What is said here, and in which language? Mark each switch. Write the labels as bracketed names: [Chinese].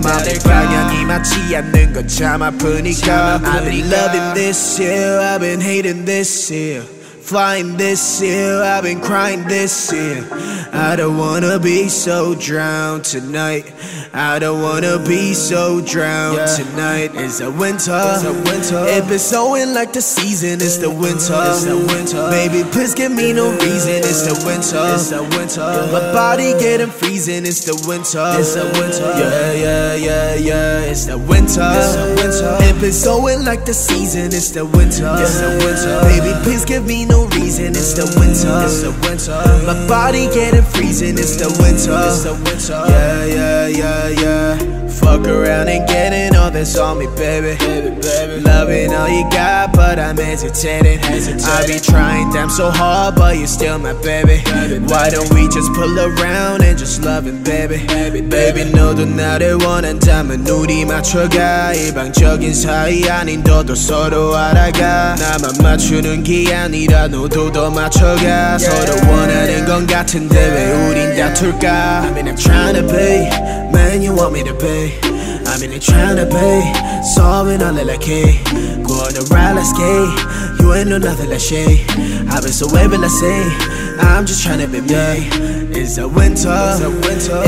[Korean] 맘의 방향이 맞지 않는 건 참 아프니까. [English] I've been loving this year, I've been hating this year. Flying this year, I've been crying this year. I don't wanna be so drowned tonight. I don't wanna be so drowned tonight. It's a winter, it's been snowing like the season. It's the winter, baby, please give me no reason. It's the winter, my body getting freezing. It's the winter, yeah. It's the winter, it's been snowing like the season. It's the winter, baby, please give me no reason. It's the winter, my body getting freezing. It's the winter, yeah. Fuck around and getting all this on me, baby. Loving all you got, but I'm hesitating. I be trying damn so hard, but you're still my baby. Why don't we just pull around and just love it, baby? [Korean] Baby, 너도 나를 원한다면 우리 맞춰가. 일방적인 사이 아닌 너도 서로 알아가. 나만 맞추는 게 아니라 너도 더 맞춰가. 서로 원하는 건 같은데 왜 우린 다툴까? [English] I mean I'm trying to be, man, you want me to be. I mean I'm trying to be, solving all that I can. Go on a ride, let's skate. You ain't know nothing like shit. I've been so wavy, let's say. I'm just trying to be me. It's the winter. It's the winter.